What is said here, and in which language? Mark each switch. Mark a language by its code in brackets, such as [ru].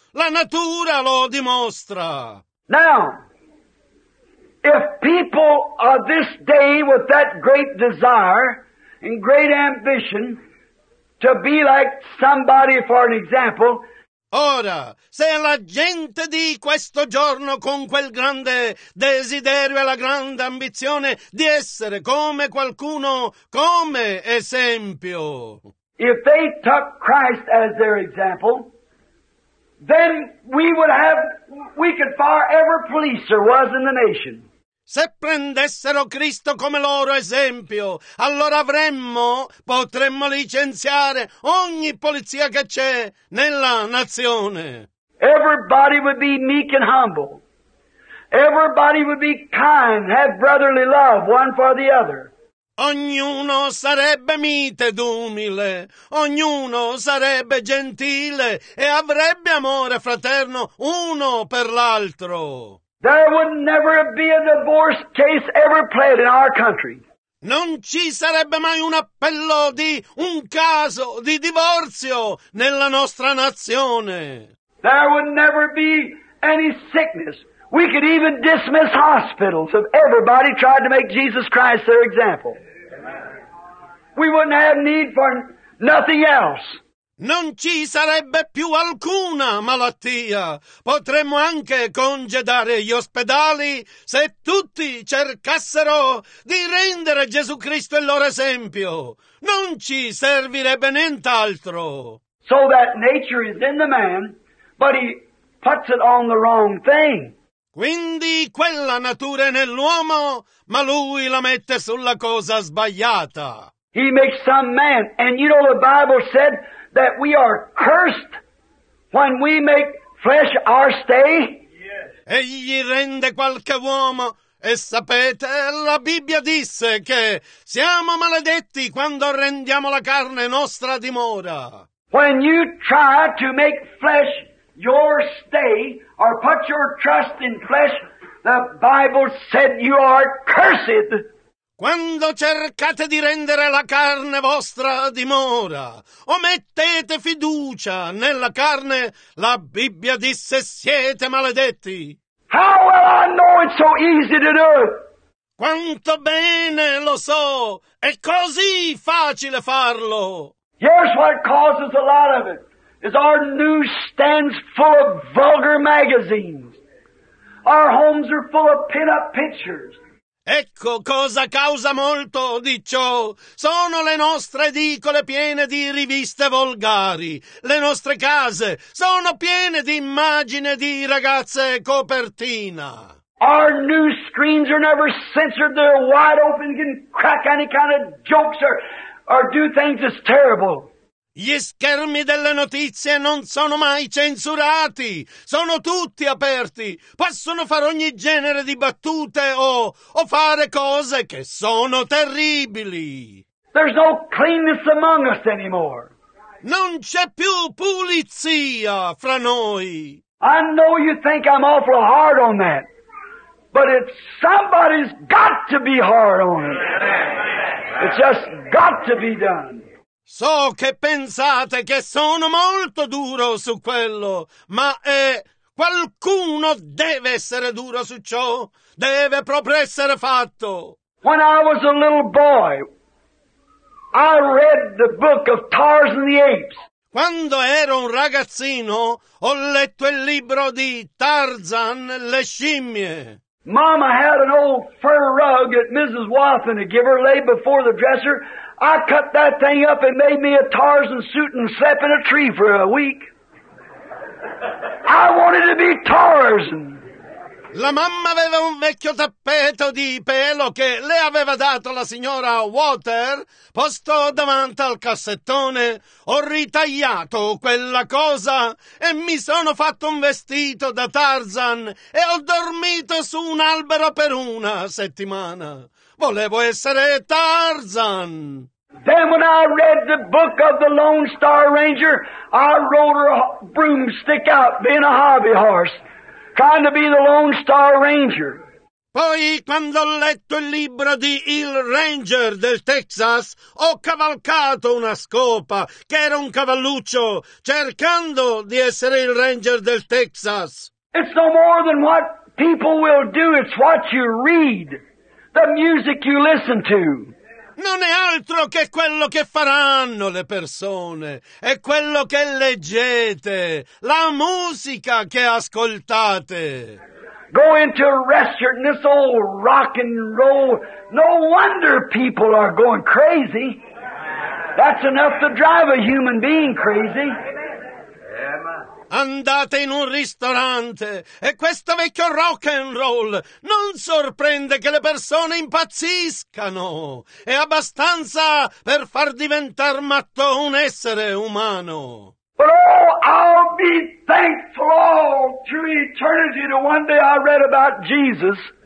[it] La natura lo dimostra. [en] Now, if people of this day with that great desire and great ambition to be like somebody for an example. [it] Ora, se la gente di questo giorno con quel grande desiderio e la grande ambizione di essere come qualcuno, come esempio. [en] If they took Christ as their example, then we could fire every police there was in the nation. [it] Se prendessero Cristo come loro esempio, allora potremmo licenziare ogni polizia che c'è nella nazione. [en] Everybody would be meek and humble. Everybody would be kind, have brotherly love one for the other. [it] Ognuno sarebbe mite ed umile. Ognuno sarebbe gentile e avrebbe amore fraterno uno per l'altro. [en] There would never be a divorce case ever played in our country. [it] Non ci sarebbe mai un appello di un caso di divorzio nella nostra nazione. [en] There would never be any sickness. We could even dismiss hospitals if everybody tried to make Jesus Christ their example. We wouldn't have need for nothing else. [it] Non ci sarebbe più alcuna malattia. Potremmo anche congedare gli ospedali se tutti cercassero di rendere Gesù Cristo il loro esempio. Non ci servirebbe nient'altro. [en] So that nature is in the man, but he puts it on the wrong thing. [it] Quindi quella natura è nell'uomo, ma lui la mette sulla cosa sbagliata. [en] He makes some man, and you know the Bible said that we are cursed when we make flesh our stay? Yes. [it] Egli rende qualche uomo, e sapete, la Bibbia disse che siamo maledetti quando rendiamo la carne nostra dimora. [en] When you try to make flesh your stay, or put your trust in flesh, the Bible said you are cursed. [it] Quando cercate di rendere la carne vostra dimora, o mettete fiducia nella carne, la Bibbia disse siete maledetti. [en] How will I know it's so easy to do? [it] Quanto bene lo so, è così facile farlo. [en] Here's what causes a lot of it, is our newsstands full of vulgar magazines. Our homes are full of pin-up pictures. [it] Ecco cosa causa molto di ciò. Sono le nostre edicole piene di riviste volgari. Le nostre case sono piene di immagini di ragazze copertina. [en] Our news screens are never censored. They're wide open. You can crack any kind of jokes or do things that's terrible. [it] Gli schermi delle notizie non sono mai censurati, sono tutti aperti, possono fare ogni genere di battute o fare cose che sono terribili. [en] There's no cleanness among us anymore. [it] Non c'è più pulizia fra noi. [en] I know you think I'm awful hard on that, but it's somebody's got to be hard on it. It's just got to be done. [it] So che pensate che sono molto duro su quello, ma qualcuno deve essere duro su ciò, deve proprio essere fatto. [en] When I was a little boy, I read the book of Tarzan the Apes. [it] Quando ero un ragazzino, ho letto il libro di Tarzan le scimmie. [en] Mama had an old fur rug at Mrs. Waffen to give her lay before the dresser. I cut that thing up and made me a Tarzan suit and slept in a tree for a week. I wanted to be Tarzan. [it] La mamma aveva un vecchio tappeto di pelo che le aveva dato la signora Water, posto davanti al cassettone. Ho ritagliato quella cosa e mi sono fatto un vestito da Tarzan e ho dormito su un albero per una settimana. Volevo essere Tarzan. [en] Then when I read the book of the Lone Star Ranger, I rode a broomstick out, being a hobby horse, trying to be the Lone Star Ranger. [it] Poi, quando ho letto il libro di Il Ranger del Texas, ho cavalcato una scopa, che era un cavalluccio, cercando di essere il Ranger del Texas. [en] It's no more than what people will do, it's what you read. The music you listen to. [it] Non è altro che quello che faranno le persone, è quello che leggete, la musica che ascoltate. [en] Go into a restaurant in this old rock and roll. No wonder people are going crazy. That's enough to drive a human being crazy. [it] Andate in un ristorante e questo vecchio rock and roll non sorprende che le persone impazziscano. È abbastanza per far diventare matto un essere umano. [en] But oh, I'll be thankful all to eternity to one day I read about Jesus.